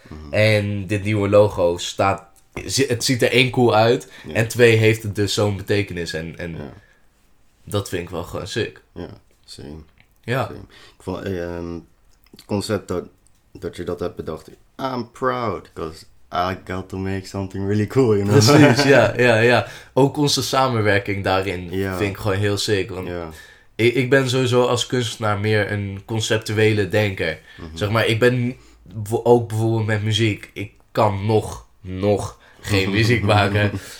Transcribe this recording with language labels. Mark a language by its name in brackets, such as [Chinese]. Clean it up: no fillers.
[Dutch] Mm-hmm. En dit nieuwe logo staat... Het ziet er één cool uit. Ja. En twee heeft het dus zo'n betekenis. En ja. Dat vind ik wel gewoon sick. Ja, same. Ja. Ik vond het concept dat je dat hebt bedacht. [English] I'm proud. Because I got to make something really cool. You know? [Dutch] Precies, ja, ja, ja. Ook onze samenwerking daarin vind ik gewoon heel sick. Want ik ben sowieso als kunstenaar meer een conceptuele denker. Mm-hmm. Zeg maar, ik ben ook bijvoorbeeld met muziek. Ik kan nog geen muziek maken.